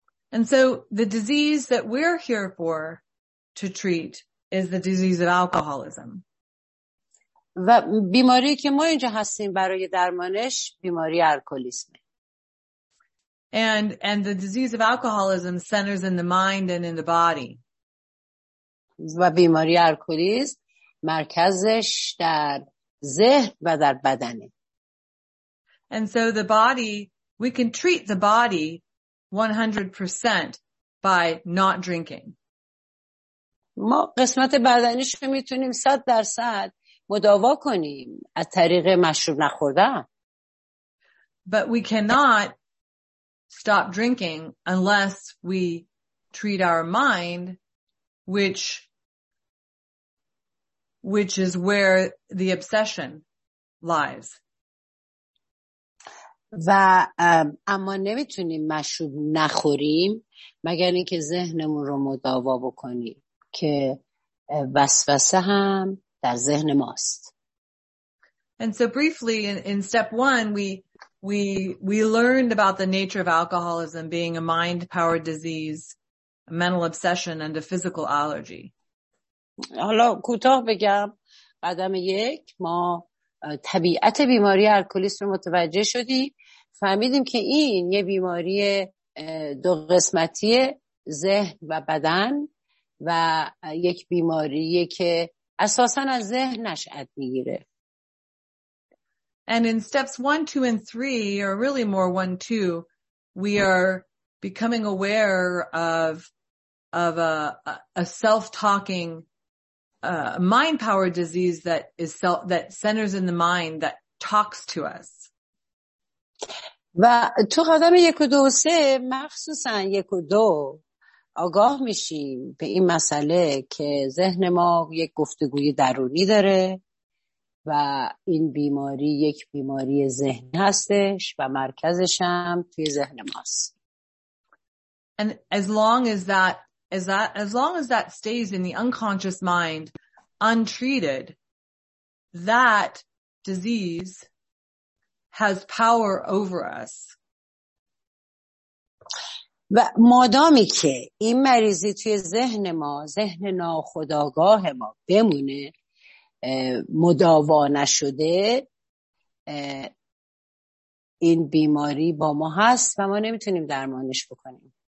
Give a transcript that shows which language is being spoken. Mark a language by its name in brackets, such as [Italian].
[English] And so the disease that we're here for to treat is the disease of alcoholism. [Persian] و بیماری که ما اینجا هستیم برای درمانش بیماری الکلیسم. [English] And the disease of alcoholism centers in the mind and in the body. [Persian] و بیماری الکلیسم مرکزش در ذهن و در بدنه. [English] And so the body, we can treat the body 100% by not drinking. [Persian] ما قسمت بدنیش رو میتونیم 100% مداوا کنیم از طریق مشروب نخوردن. [English] But we cannot stop drinking unless we treat our mind, which is where the obsession lies. [Persian] و اما نمیتونیم مشروب نخوریم مگر اینکه ذهنمون رو مداوا بکنیم که وسوسه هم در ذهن ماست. [English] And so briefly in step 1 we learned about the nature of alcoholism being a mind powered disease, a mental obsession and a physical allergy. [Persian] حالا کوتاه بگم قدم 1 ما طبیعت بیماری الکلیسم رو متوجه شدیم، فهمیدیم که این یه بیماری دو قسمتی ذهن و بدن و یک بیماریه که اساساً از ذهن نشأت میگیره. [English] And in steps 1, 2 and 3 or really more 1 2 we are becoming aware of a self-talking mind power disease that centers in the mind that talks to us. [Persian] و تو قدم 1 و 2 و 3 مخصوصا 1 و 2 آگاه میشیم به این مسئله که ذهن ما یک گفتگوی درونی داره و این بیماری یک بیماری ذهن هستش و مرکزش هم توی ذهن ماست. [English] And as long as that stays in the unconscious mind untreated, that disease has power over us. [Persian] و مادامی که این مریضی توی ذهن ما، ذهن ناخودآگاه ما بمونه، مداوا نشده، این بیماری با ما هست و ما نمیتونیم درمانش بکنیم.